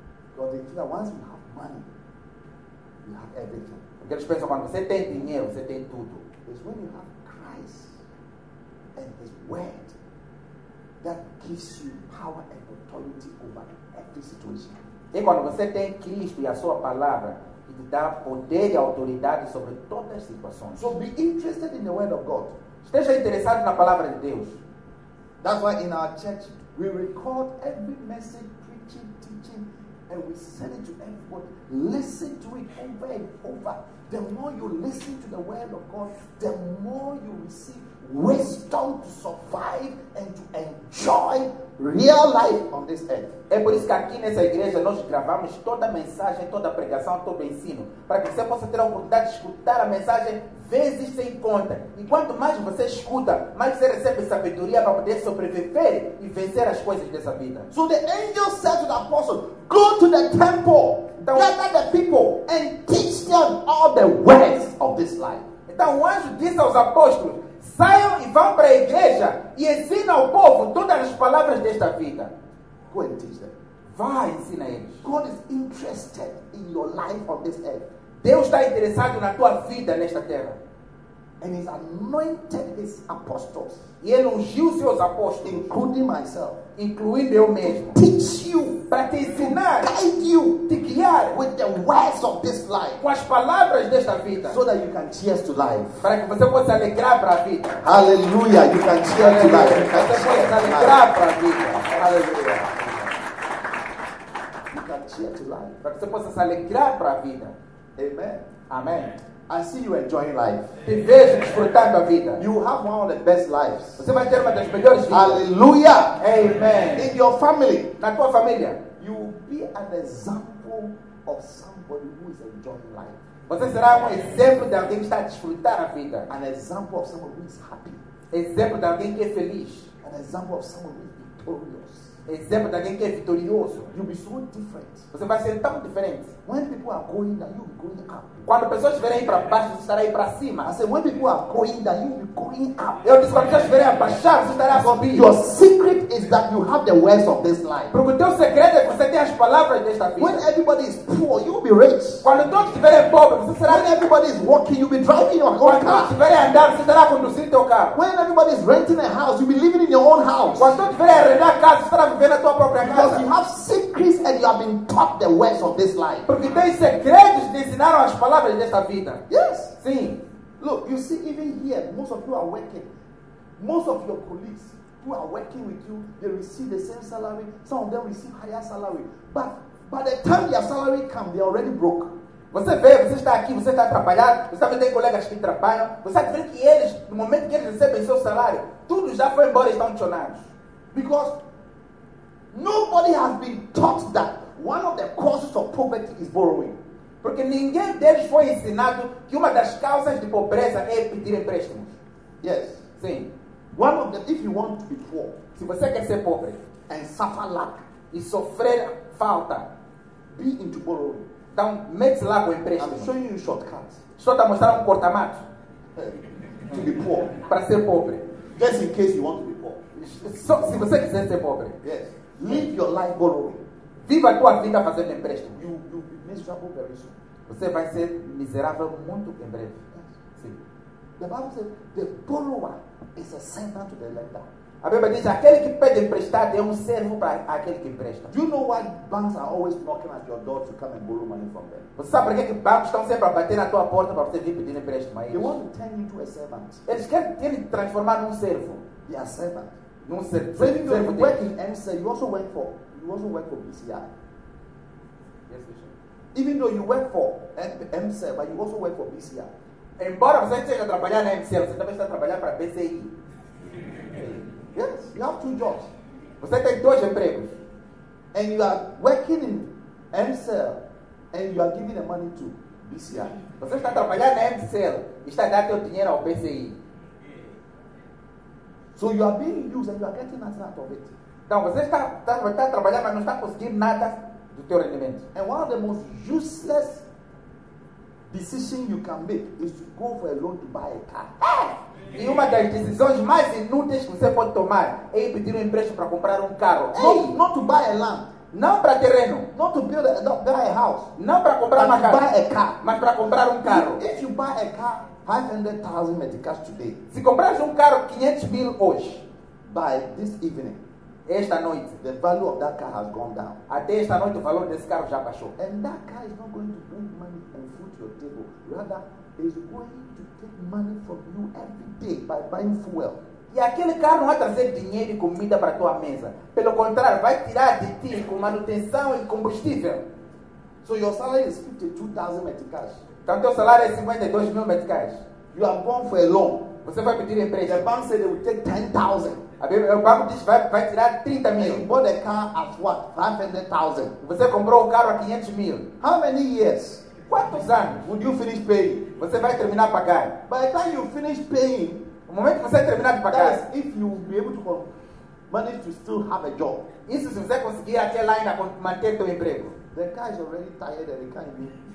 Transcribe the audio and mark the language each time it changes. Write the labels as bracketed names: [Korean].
[English] Because they feel that once you have money, you have everything. [Portuguese] Porque eles pensam quando você tem dinheiro, você tem tudo. [English] It's when you have Christ and His Word that gives you power and authority over every situation. [Portuguese] E quando você tem Cristo e a Sua palavra. De dar poder e autoridade sobre todas as situações. [English] So be interested in the word of God. [Portuguese] Esteja interessado na palavra de Deus. [English] That's why in our church we record every message, preaching, teaching, and we send it to everyone. Listen to it over and over. The more you listen to the word of God, the more you receive wisdom to survive and to enjoy real life on this earth. [Portuguese] É por isso que aqui nessa igreja nós gravamos toda a mensagem, toda a pregação, todo o ensino, para que você possa ter a oportunidade de escutar a mensagem vezes sem conta. E quanto mais você escuta, mais você recebe sabedoria para poder sobreviver e vencer as coisas dessa vida. [English] So the angel said to the apostle, go to the temple, gather the people and teach them all the ways of this life. [Portuguese] Então o anjo disse aos apóstolos, saiam e vão para a igreja e ensina ao povo todas as palavras desta vida. [English] Go and teach them. [Portuguese] Vai, ensina eles. [English] God is interested in your life on this earth. [Portuguese] Deus está interessado na tua vida nesta terra. [English] And he's anointed his apostles. [Portuguese] E ele ungiu seus apóstolos. [English] Including myself. [Portuguese] Incluindo eu mesmo. [English] To teach you. [Portuguese] Para te ensinar. [English] To guide you. [Portuguese] Te guiar. [English] With the words of this life. [Portuguese] Com as palavras desta vida. [English] So that you can cheers to life. [Portuguese] Para que você possa alegrar para a vida. [English] Hallelujah. You can cheers to life. [Portuguese] Você pode alegrar para a vida. Hallelujah. [English] You can cheer to life. [Portuguese] Para que você possa alegrar para a vida. Amen. Amen. [English] I see you enjoying life. [Portuguese] Te vejo desfrutando a vida. [English] You have one of the best lives. [Portuguese] Você vai ter uma das melhores vidas. Hallelujah. Amen. [English] In your family. [Portuguese] Na tua família. [English] You will be an example of somebody who is enjoying life. [Portuguese] Você será exemplo de alguém que está a desfrutar a vida. [English] An example of someone who is happy. [Portuguese] Exemplo de alguém que é feliz. [English] An example of someone who is victorious. [Portuguese] Exemplo de alguém que é vitorioso. [English] You'll be so different. [Portuguese] Você vai ser tão diferente. [English] When people are going down, you'll be going up. [Portuguese] Quando pessoas estiverem aí para baixo, você estará aí para cima. [English] I said, when people are going down, you'll be going up. [Portuguese] Eu disse, quando pessoas estiverem a baixar, você estará a subir. [English] Your secret is that you have the words of this life. [Portuguese] Porque o teu segredo é que você tem as palavras desta vida. [English] When everybody is poor, you'll be rich. [Portuguese] Quando todos estiverem pobres, você será. [English] When everybody is walking, you'll be driving your own [Portuguese] quando [English] car. [Portuguese] Quando todos estiverem andando, você estará a conduzir teu carro. When everybody is renting a house, you'll be living in your own house. Quando todos estiverem a rentar casa, você estará na tua própria casa. [English] Because you have secrets and you have been taught the words of this life. [Portuguese] Porque tem segredos que te ensinaram as palavras desta vida. [English] Yes. [Portuguese] Sim. [English] Look, you see, even here, most of you are working. Most of your colleagues who are working with you, they receive the same salary. Some of them receive higher salary. But by the time their salary comes, they are already broke. [Portuguese] Você vê, você está aqui, você está a trabalhar, você também tem colegas que trabalham. Você está vendo que eles, no momento que eles recebem seu salário, tudo já foi embora e estão chonados. [English] Because nobody has been taught that one of the causes of poverty is borrowing. [Portuguese] Porque ninguém deles foi ensinado que uma das causas de pobreza é pedir empréstimos. [English] Yes. [Portuguese] Sim. [English] One of them, if you want to be poor, [Portuguese] se você quer ser pobre [English] and suffer lack, [Portuguese] e sofrer falta, [English] be into borrowing. [Portuguese] Então, mete lá com empréstimo. [English] I'm showing you shortcuts. [Portuguese] Só para mostrar cortamato. [English] To be poor. [Portuguese] Para ser pobre. [English] Just in case you want to be poor. [Portuguese] Só, se você quiser ser pobre. [English] Yes. Live your life borrowing. [Portuguese] Viva a tua vida fazendo empréstimo. [English] You'll be miserable very soon. [Portuguese] Você vai ser miserável muito em breve. [English] Yes. [Portuguese] Sim. [English] The Bible says the borrower is a servant to the lender. [Portuguese] A Bíblia diz aquele que pede emprestado é servo para aquele que empresta. [English] Do you know why banks are always knocking at your door to come and borrow money from them? [Portuguese] Você sabe por que bancos estão sempre a bater na tua porta para você vir pedir empréstimo a eles? [English] They want to turn you into a servant. Eles querem te transformar num servo. They are servant. No, you work in MSA, you also work for BCI. Yes, Bishop. Even though you work for MSA, but you also work for BCI. [Portuguese] Embora você esteja trabalhando na MSA, você também está trabalhando para BCI. [English] Yes, you have two jobs. [Portuguese] Você tem dois empregos. [English] And you are working in MSA, and you are giving the money to BCI. [Portuguese] Você está trabalhando na MSA e está dando o dinheiro ao BCI. [English] So you are being used and you are getting nothing out of it. [Portuguese] Então você está trabalhando, mas não está conseguindo nada do teu rendimento. [English] And one of the most useless decisions you can make is to go for a loan to buy a car. [Portuguese] E uma das decisões mais inúteis que você pode tomar é ir pedir um empréstimo para comprar carro. [English] Not to buy a land. [Portuguese] Não para terreno. [English] Not to buy a house. [Portuguese] Não para comprar uma casa. [English] Buy a car. [Portuguese] Mas para comprar carro. [English] If you buy a car, 500,000 meticais today. [Portuguese] Se comprares carro 500,000 hoje, [English] by this evening, [Portuguese] esta noite, [English] the value of that car has gone down. [Portuguese] Até esta noite o valor desse carro já baixou. [English] And that car is not going to bring money and food to your table. Rather, it's going to take money from you every day by buying fuel. [Portuguese] E aquele carro não vai trazer dinheiro e comida para tua mesa. Pelo contrário, vai tirar de ti com manutenção e combustível. [English] So your salary is 52,000 meticais. [Portuguese] Então, teu salário é 52,000 meticais. [English] You are born for a loan. [Portuguese] Você vai pedir empréstimo. [English] The bank said they will take 10,000. [Portuguese] O banco diz vai tirar 30 mil. [English] You bought a car at what? 500,000. [Portuguese] Você comprou o carro a 500 mil. [English] How many years? [Portuguese] Quantos anos? [English] Would you finish paying? [Portuguese] Você vai terminar a pagar. [English] By the time you finish paying, [Portuguese] o momento que você terminar de pagar, [English] that is if you will be able to manage to still have a job. [Portuguese] Isso se você conseguir até lá ainda manter teu emprego. [English] The car is already tired and it can't be.